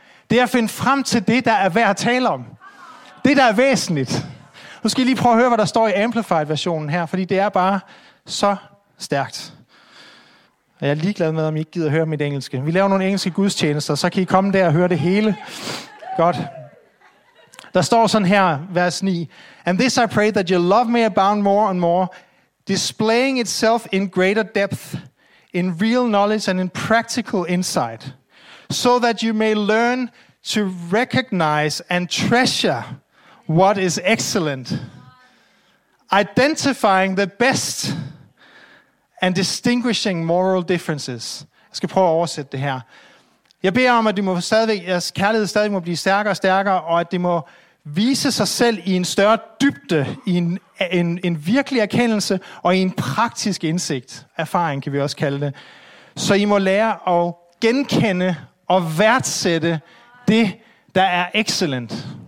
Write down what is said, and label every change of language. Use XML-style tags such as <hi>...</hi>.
<da>Det er at finde frem til det, der er værd at tale om. Det, der er væsentligt. Nu skal I lige prøve at høre, hvad der står i Amplified-versionen her, fordi det er bare så stærkt. Og jeg er ligeglad med, om I ikke gider høre mit engelske. Vi laver nogle engelske gudstjenester, så kan I komme der og høre det hele. Godt. Der står sådan her, vers 9.</da> <en>And this I pray that your love may abound more and more, displaying itself in greater depth, in real knowledge and in practical insight, so that you may learn to recognize and treasure what is excellent, identifying the best and distinguishing moral differences.</en> <da>Jeg skal prøve at oversætte det her. Jeg beder om, at du må stadig, jeres kærlighed stadig må blive stærkere og stærkere, og at det må vise sig selv i en større dybde, i en virkelig erkendelse, og i en praktisk indsigt. Erfaring kan vi også kalde det. Så I må lære at genkende og værdsætte det, der er excellent.</da>